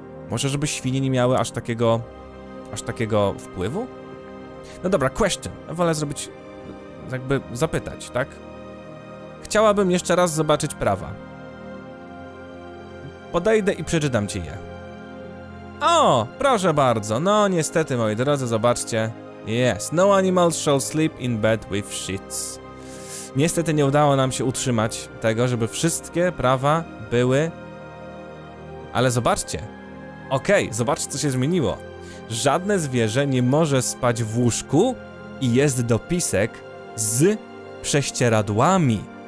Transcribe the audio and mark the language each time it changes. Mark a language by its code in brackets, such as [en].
[pl] Może, żeby świnie nie miały aż takiego wpływu? No dobra, question. Wolę zrobić... Jakby zapytać, tak? Chciałabym jeszcze raz zobaczyć prawa. Podejdę i przeczytam ci je. O, proszę bardzo. No, niestety, moi drodzy, zobaczcie. [en] Yes, no animals shall sleep in bed with sheets. [pl] Niestety nie udało nam się utrzymać tego, żeby wszystkie prawa były... Ale zobaczcie. Okej, zobaczcie, co się zmieniło. Żadne zwierzę nie może spać w łóżku, i jest dopisek z prześcieradłami.